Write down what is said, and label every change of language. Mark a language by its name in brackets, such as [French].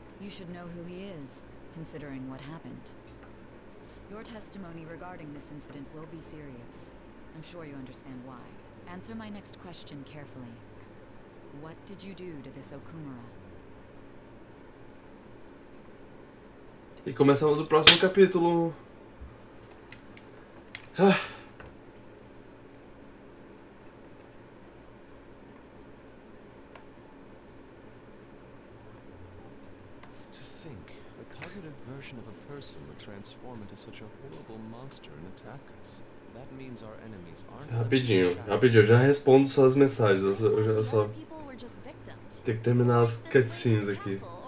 [English] You should know who he is, considering what happened. Your testimony regarding this incident will be serious. I'm sure you understand why. Answer my next question carefully. What did you do to this Okumura? [Portuguese] E começamos o próximo capítulo. [English] To think, the cognitive version of a person would transform into such a horrible monster and attack us. That means our enemies aren't. [Portuguese] Rapidinho, rapidinho, eu já respondo suas mensagens. Eu só tem que terminar as cutscenes aqui.